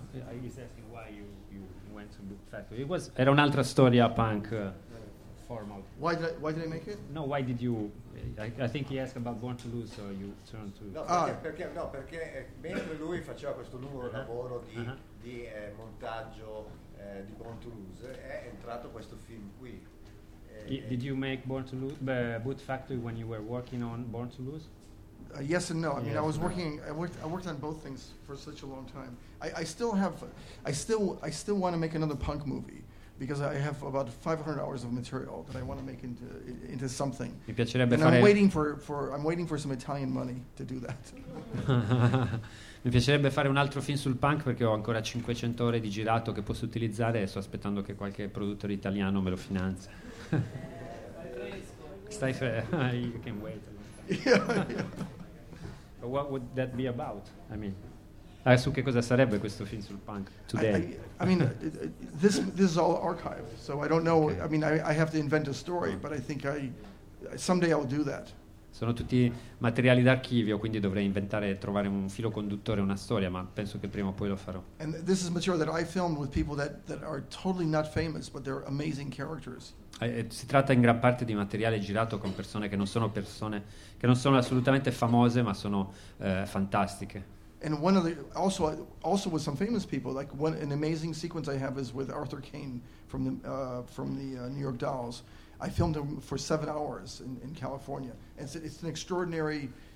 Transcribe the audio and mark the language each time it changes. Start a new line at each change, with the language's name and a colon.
English: I was asking why you went to Boot Factory.
Italian: Era un'altra storia punk. Formal.
English: Why did I make it? No, why did you? I think he asked about Born to Lose, so you turned to.
Italian: No, perché mentre lui faceva questo lungo lavoro di montaggio. Di Born to Lose è entrato questo film qui.
English: Did you make Born to Lose Boot Factory when you were working on Born to Lose? Yes and no. I mean, yes, I was working. I worked on both things for such a long time. I still want to make another punk movie because I have about 500 hours of material that I want to make into something.
Italian: Mi piacerebbe
English: and
Italian: fare.
English: And I'm waiting for some Italian money to do that.
Italian: Mi piacerebbe fare un altro film sul punk perché ho ancora 500 ore di girato che posso utilizzare e sto aspettando che qualche produttore italiano me lo finanzia. Stai fermo.
English: You can wait. Yeah, yeah. What would that be about? I mean,
Italian: su che cosa sarebbe questo film sul punk today?
English: I mean, this is all archived, so I don't know. Okay. I mean, I have to invent a story, but I think someday I'll do that.
Italian: Sono tutti materiali d'archivio, quindi dovrei inventare e trovare un filo conduttore, una storia, ma penso che prima o poi lo farò.
English: And this is material that I filmed with people that are totally not famous, but they're amazing characters.
Italian: Si tratta in gran parte di materiale girato con persone che non sono assolutamente famose, ma sono fantastiche.
English: And one of the also with some famous people, like an amazing sequence I have is with Arthur Kane from the New York Dolls. I filmed him for 7 hours in California, and it's an extraordinary.